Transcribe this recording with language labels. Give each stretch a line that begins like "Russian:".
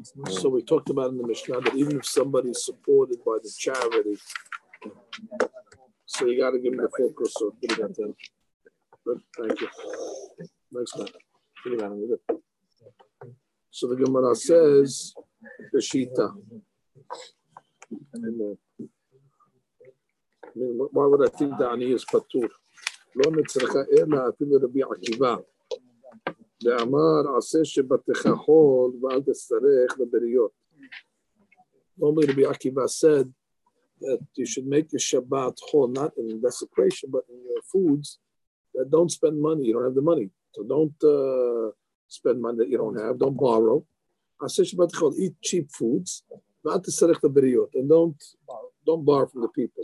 English: So we talked about in the Mishnah that even if somebody is supported by the charity, so you got to give them the full kusur. Good, thank you. Next one. So the Gemara says, Peshita. I mean, why would I think that he is patur?
Hebrew: לא מצריך אלא אפילו רבי עקיבא. ואמר, עשה שבתך חול ואל תסתרך לבריות.
English: Only רבי עקיבא said that you should make your Shabbat whole, not in desecration, but in your foods, that don't spend money, you don't have the money. So don't spend money that you don't have, don't borrow.
Hebrew: עשה שבתך חול,
English: eat cheap foods,
Hebrew: ואל תסתרך לבריות,
English: and don't borrow from the people.